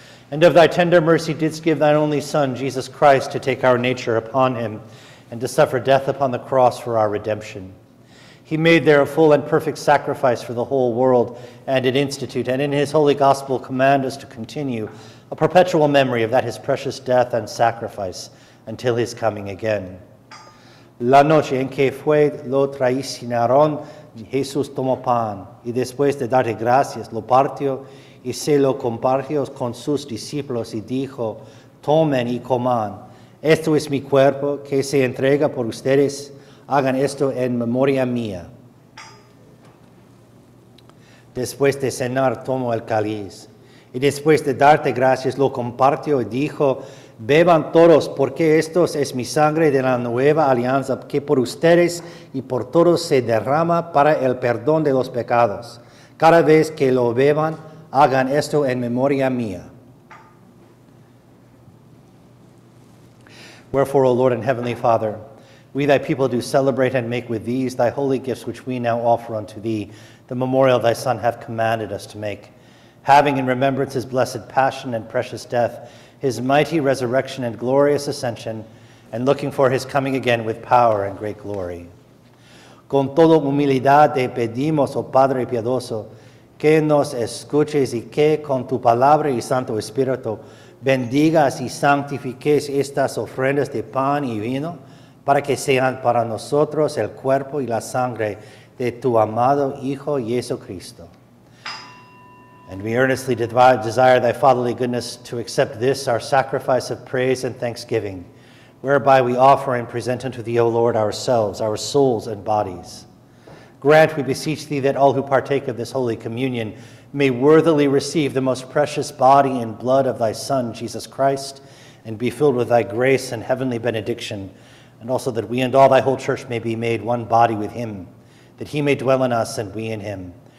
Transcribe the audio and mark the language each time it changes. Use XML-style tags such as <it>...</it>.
<en>And of thy tender mercy didst give thine only Son, Jesus Christ, to take our nature upon him and to suffer death upon the cross for our redemption. He made there a full and perfect sacrifice for the whole world and did institute, and in his holy gospel command us to continue a perpetual memory of that his precious death and sacrifice until his coming again.</en> <es>La noche en que fue lo traicionaron, Jesús tomó pan, y después de darte gracias, lo partió, y se lo compartió con sus discípulos, y dijo, tomen y coman, esto es mi cuerpo, que se entrega por ustedes, hagan esto en memoria mía. Después de cenar, tomó el cáliz, y después de darte gracias, lo compartió, y dijo, beban todos, porque esto es mi sangre de la nueva alianza, que por ustedes y por todos se derrama para el perdón de los pecados. Cada vez que lo beban, hagan esto en memoria mía.</es> <en>Wherefore, O Lord and Heavenly Father, we thy people do celebrate and make with these thy holy gifts which we now offer unto thee, the memorial thy Son hath commanded us to make. Having in remembrance his blessed passion and precious death, his mighty resurrection and glorious ascension, and looking for his coming again with power and great glory.</en> <es>Con toda humildad te pedimos, oh Padre piadoso, que nos escuches y que con tu palabra y Santo Espíritu bendigas y santifiques estas ofrendas de pan y vino para que sean para nosotros el cuerpo y la sangre de tu amado Hijo Jesucristo.</es> <en>And we earnestly desire thy fatherly goodness to accept this, our sacrifice of praise and thanksgiving, whereby we offer and present unto thee, O Lord, ourselves, our souls and bodies. Grant, we beseech thee, that all who partake of this holy communion may worthily receive the most precious body and blood of thy Son, Jesus Christ, and be filled with thy grace and heavenly benediction, and also that we and all thy whole church may be made one body with him, that he may dwell in us and we in him.</en>